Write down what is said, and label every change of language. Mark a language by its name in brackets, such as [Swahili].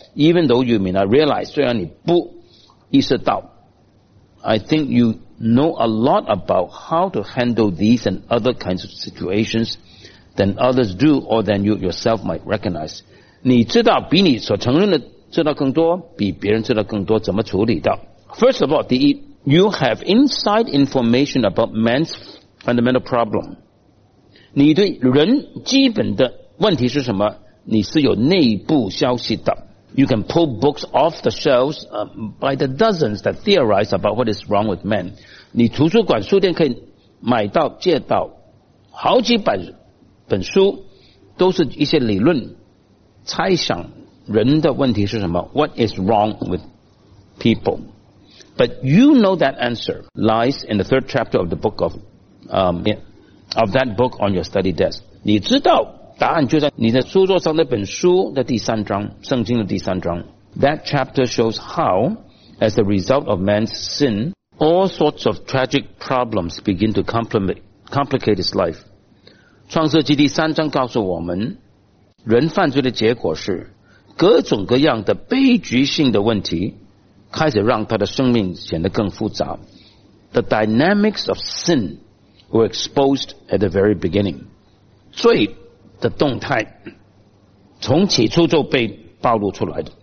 [English] Even though you may not realize， [Chinese] 虽然你不意识到， [English] I think you know a lot about how to handle these and other kinds of situations than others do or than you yourself might recognize。 [Chinese] 你知道比你所承认的知道更多，比别人知道更多，怎么处理的？ [English] First of all, [Chinese] 第一， [English] you have inside information about man's fundamental problem. [Chinese] 你对人基本的问题是什么？你是有内部消息的。 [English] You can pull books off the shelves by the dozens that theorize about what is wrong with men. [Chinese] 你图书馆书店可以买到借到好几百本书，都是一些理论猜想人的问题是什么， [English] What is wrong with people? But you know that answer lies in the third chapter of the book of that book on your study desk. [Chinese] 你知道答案就在你的书桌上那本书的第三章，圣经的第三章。 [English] That chapter shows how, as a result of man's sin, all sorts of tragic problems begin to complicate his life. [Chinese] 创世纪第三章告诉我们，人犯罪的结果是，各种各样的悲剧性的问题，开始让他的生命显得更复杂。 [English] The dynamics of sin were exposed at the very beginning. [Chinese] 罪的动态从起初就被暴露出来的。